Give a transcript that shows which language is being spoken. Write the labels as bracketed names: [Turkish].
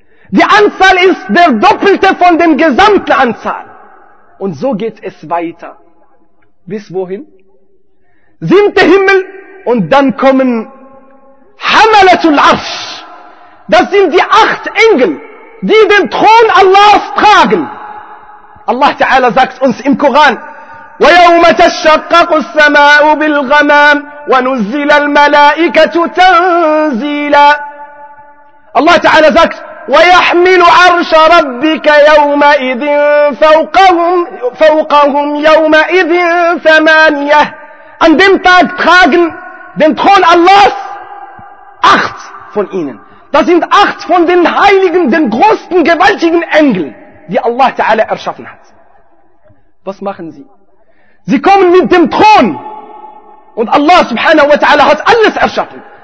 [German] Die Anzahl ist der Doppelte von der gesamten Anzahl. Und so geht es weiter. Bis wohin? Siebte Himmel und dann kommen Hamalatul Arsh. Das sind die acht Engel, die den Thron Allahs tragen. Allah Ta'ala sagt uns im Koran, [Arabic] وَيَوْمَ تَشَّقَّقُ السَّمَاءُ بِالْغَمَامِ وَنُزِّلَ الْمَلَائِكَةُ تَنْزِيلًا. [German] Allah Ta'ala sagt, [Arabic] وَيَحْمِلُ عَرْشَ رَبِّكَ يَوْمَئِذٍ فَوْقَهُمْ يَوْمَئِذٍ ثَمَانِيَةٍ. [German] An dem Tag tragen den Thron Allahs acht von ihnen. Das sind acht von den Heiligen, den größten, gewaltigen Engeln, die Allah Ta'ala erschaffen hat. Was machen sie? Sie kommen mit dem Thron. Und Allah Subhanahu wa Ta'ala hat alles erschaffen.